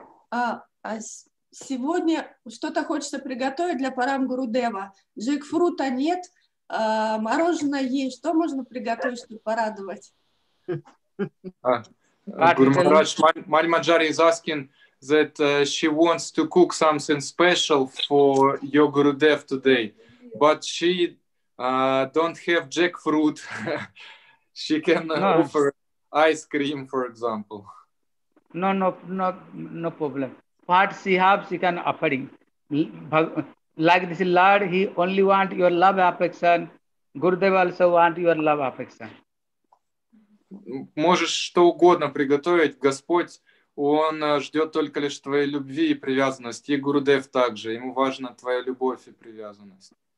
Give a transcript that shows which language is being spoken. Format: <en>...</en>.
<ru>А сегодня что-то хочется приготовить для парам Гурудева. Джекфрута нет, мороженое есть. Что можно приготовить, чтобы порадовать?</ru> <en>Guru Maharaj, my Manjari is asking that she wants to cook something special for your Gurudev today, but she don't have jackfruit. She can offer ice cream, for example. No problem. What she has, she can offering. Like this, Lord, he only want your love affection. Gurudev also want your love affection.</en> <ru>Можешь что угодно приготовить, Господь, Он ждет только лишь твоей любви и привязанности, и Гурудев также, Ему важна твоя любовь и привязанность.</ru>